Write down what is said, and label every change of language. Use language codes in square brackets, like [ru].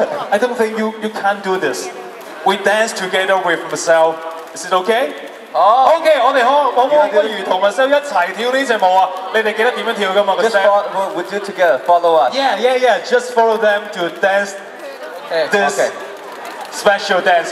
[en] I don't think you can't do this. We dance together with Marcel. Is it okay? [zh] Okay, 我們可不可以跟兒童的聲音一起跳這隻舞啊？你們記得怎樣跳的嗎? [en] Would you together follow us? Yeah, just follow them to dance this special dance.